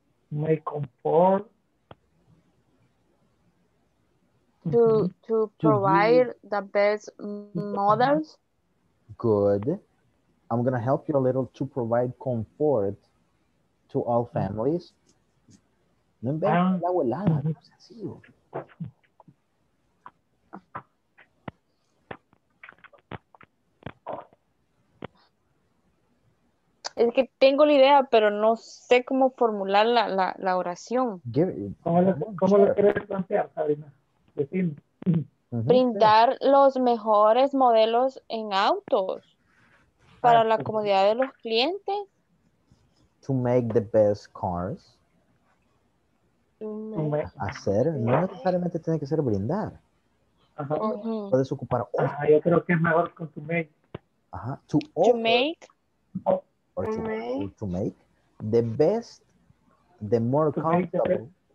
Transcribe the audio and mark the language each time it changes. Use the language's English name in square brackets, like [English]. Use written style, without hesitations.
[English] Make comfort. To provide the best models. Good. I'm going to help you a little to provide comfort to all families. [Spanish] No en vez de la abuelada, no es así. Es que tengo la idea, pero no sé cómo formular la oración. ¿Cómo lo quieres plantear, Sabrina? Brindar los mejores modelos en autos para la comodidad de los clientes. [English] To make the best cars. [Spanish] Hacer, no necesariamente tiene que ser brindar. Uh-huh. Puedes ocupar. Yo creo que es mejor con [English] to make. Ajá. To offer. To make. Or to make the best, the more comfortable.